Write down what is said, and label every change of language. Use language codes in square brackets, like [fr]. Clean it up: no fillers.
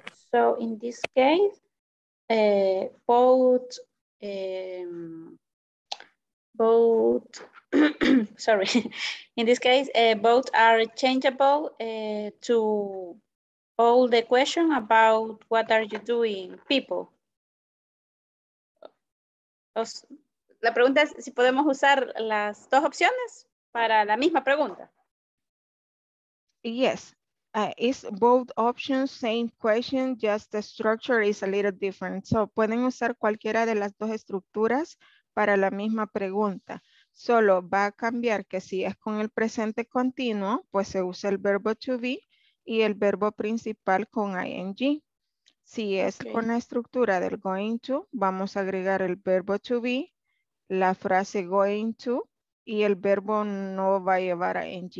[en] So in this case, both sorry, in this case both are changeable to all the question about what are you doing people. [es] La pregunta es si podemos usar las dos opciones para la misma pregunta. [en] Yes, it's both options, same question, just the structure is a little different. [es] So, pueden usar cualquiera de las dos estructuras para la misma pregunta. Solo va a cambiar que si es con el presente continuo, pues se usa el verbo to be y el verbo principal con ing. Si es okay. Con la estructura del going to, vamos a agregar el verbo to be, la frase going to, y el verbo no va a llevar a ing.